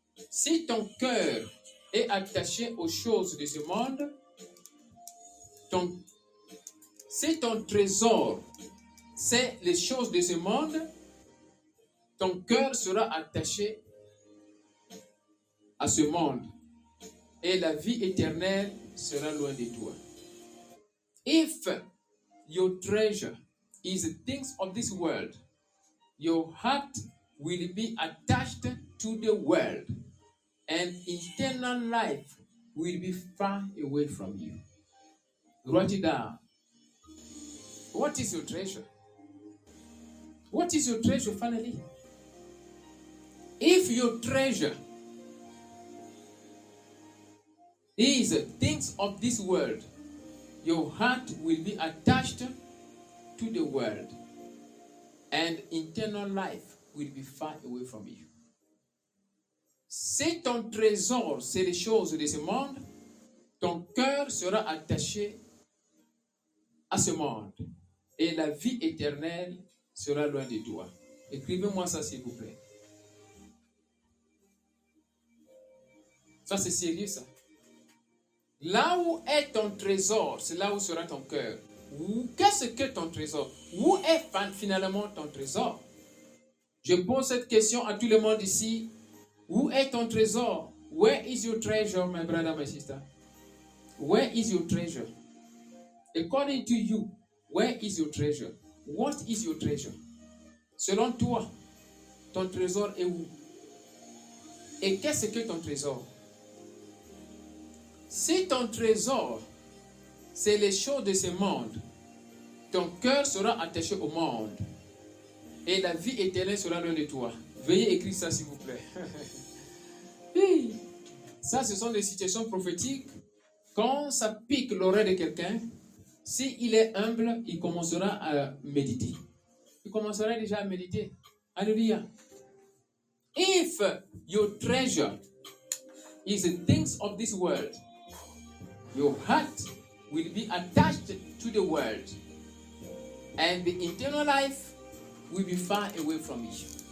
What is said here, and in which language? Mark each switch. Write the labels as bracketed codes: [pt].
[fr] Si ton cœur est attaché aux choses de ce monde, si ton trésor, c'est les choses de ce monde, ton cœur sera attaché à ce monde. Et la vie éternelle sera loin de toi. [en] If your treasure is things of this world, your heart will be attached to the world, and eternal life will be far away from you. Write it down. What is your treasure? What is your treasure, finally? If your treasure is things of this world, your heart will be attached to the world, and eternal life will be far away from you. [fr] Si ton trésor, c'est les choses de ce monde, ton cœur sera attaché à ce monde, et la vie éternelle sera loin de toi. Écrivez-moi ça, s'il vous plaît. Ça, c'est sérieux, ça. Là où est ton trésor, c'est là où sera ton cœur. Qu'est-ce que ton trésor? Où est finalement ton trésor? Je pose cette question à tout le monde ici Où est ton trésor? [en] Where is your treasure, my brother, my sister? Where is your treasure? According to you, where is your treasure? What is your treasure? [fr] Selon toi, ton trésor est où? Et qu'est-ce que ton trésor? Si ton trésor, c'est les choses de ce monde, ton cœur sera attaché au monde. Et la vie éternelle sera loin de toi. Veuillez écrire ça, s'il vous plaît. Ça, ce sont des situations prophétiques. Quand ça pique l'oreille de quelqu'un, s'il est humble, il commencera à méditer. Il commencera déjà à méditer. Alléluia. [en] If your treasure is the things of this world, your heart will be attached to the world, and the eternal life will be far away from it.